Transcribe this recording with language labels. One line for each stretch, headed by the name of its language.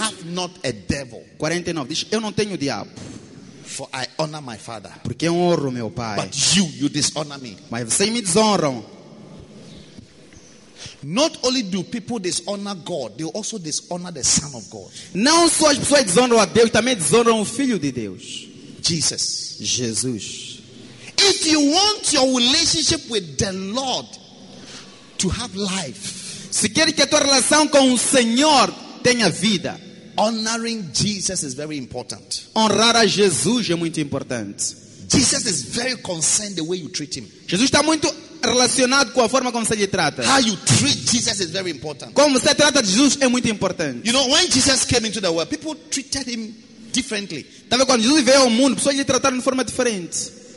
English: I have not a devil.
Portuguese: 49. Diz, eu não tenho diabo.
English: For I honor my father.
Portuguese: Porque eu honro meu pai.
English: But you dishonor me.
Portuguese: Mas você me desonram.
English: Not only do people dishonor God, they also dishonor the Son of God.
Portuguese: Não só as pessoas desonram a Deus, também desonram o Filho de Deus.
English: Jesus.
Portuguese: Jesus.
English: If you want your relationship with the Lord to have life,
Portuguese: se quer que a tua relação com o Senhor tenha vida,
English: honoring Jesus is very important.
Portuguese: Honrar a Jesus é muito importante.
English: Jesus is very concerned the way you treat him.
Portuguese: Jesus está muito relacionado com a forma como você lhe trata.
English: How you treat Jesus is very important.
Portuguese: Como você trata Jesus é muito importante.
English: You know, when Jesus came into the world, people treated him differently.
Portuguese: Sabe, quando Jesus veio ao mundo, pessoas lhe trataram de forma diferente.